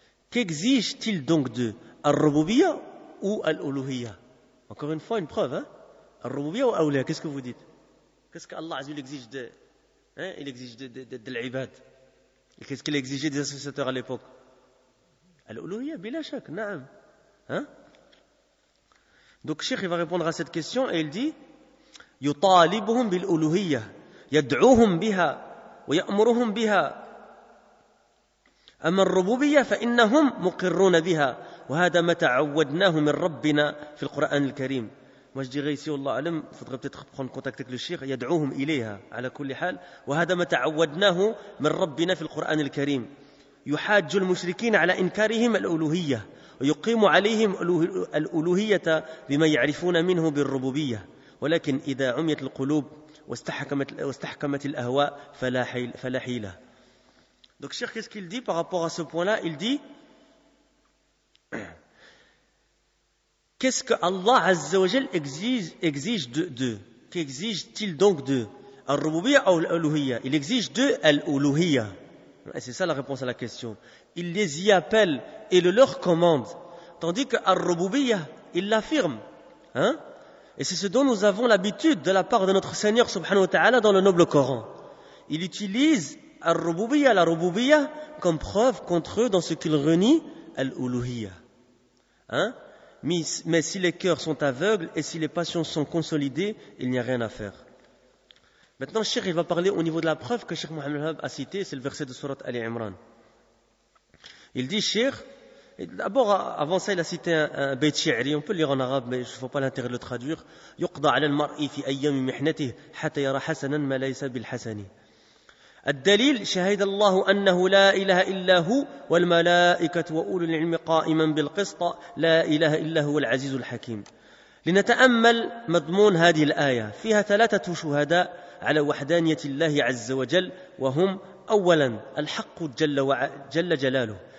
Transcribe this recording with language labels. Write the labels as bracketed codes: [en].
[fr] Qu'exige-t-il donc d'eux ? Al-Rububiya ou Al-Uluhiya ? Encore une fois, une preuve. Hein? Al-Rububiya ou Al-Uluhiya, qu'est-ce que vous dites ? Qu'est-ce qu'Allah Azza wa Jal exige de... Hein? Il exige de l'Ibad. Et qu'est-ce qu'il exigeait des associateurs à l'époque ? [ar] Al-Uluhiya, bila shak, na'am. Hein? [fr] Donc, Cheikh, il va répondre à cette question et il dit « [ar] Yutalibuhum bil-Uluhiya, yad'uhum biha » ويأمرهم بها أما الربوبية فإنهم مقرون بها وهذا ما تعودناه من ربنا في القرآن الكريم [fr] moi je dirais ici Allah Alam faudrait peut-être prendre contact avec le Cheikh [ar] يدعوهم إليها على كل حال وهذا ما تعودناه من ربنا في القرآن الكريم يحاج المشركين على إنكارهم الألوهية ويقيم عليهم الألوهية بما يعرفون منه بالربوبية ولكن إذا عميت القلوب واستحكمت الأهواء فلا حيلة. [fr] Donc Cheikh, qu'est-ce qu'il dit par rapport à ce point-là? Il dit qu'est-ce que Allah Azza wa Jal exige d'eux? Qu'exige-t-il donc d'eux? Al-Rububiyya ou Al-Uluhiyya? Il exige d'eux Al-Uluhiyya. Et c'est ça la réponse à la question. Il les y appelle et le leur commande. Tandis que Al-Rububiyya, il l'affirme. Hein? Et c'est ce dont nous avons l'habitude de la part de notre Seigneur subhanahu wa ta'ala dans le noble Coran. Il utilise al-rububiyya, la rububiyya, comme preuve contre eux dans ce qu'il renie, al-uluhiyya. Hein? Mais si les cœurs sont aveugles et si les passions sont consolidées, il n'y a rien à faire. Maintenant, Cheikh, il va parler au niveau de la preuve que Cheikh Mohammed Al-Hab a cité, c'est le verset de Sourate Ali Imran. Il dit, Cheikh, d'abord, avant ça, il a cité un bayt shi'ri. On peut lire en arabe, mais il ne faut pas l'intérêt de le traduire. [ar] يقضى على المرء في أيام محنته حتى يرى حسنا ما ليس بالحسن. الدليل شهد الله أنه لا إله إلا هو والملائكة وأولو العلم قائما بالقسط لا إله إلا هو العزيز الحكيم. لنتأمل مضمون هذه الآية. فيها ثلاثة شهداء على وحدانية الله عز وجل وهم أولا الحق جل جلاله.